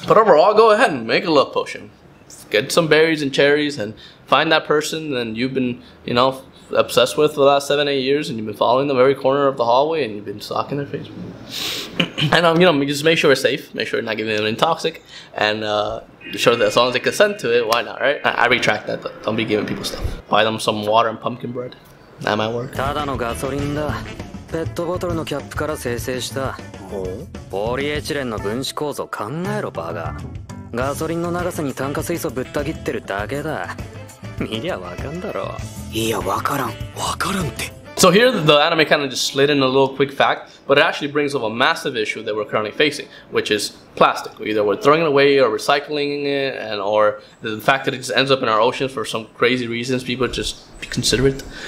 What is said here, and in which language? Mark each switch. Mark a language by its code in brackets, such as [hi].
[en] But overall, go ahead and make a love potion. Get some berries and cherries and find that person that you've been, you know, obsessed with for the last 7-8 years, and you've been following them every corner of the hallway and you've been stalking their face. And, you know, just make sure it's safe, make sure you're not giving them anything toxic, and sure that as long as they consent to it, why not, right? I retract that, but don't be giving people stuff. Buy them some water and pumpkin bread. That might work. [ja] ただのガソリンだ。ペットボトルのキャップから生成した。ポリエチレンの分子構造考えろバガ。ガソリンの長さに炭化水素ぶった切ってるだけだ。見りゃわかんだろ。いや、わからん。わからんって。 [en] So here the anime kind of just slid in a little quick fact, but it actually brings up a massive issue that we're currently facing, which is plastic. Either we're throwing it away or recycling it, and or the fact that it just ends up in our oceans for some crazy reasons, people just be considerate.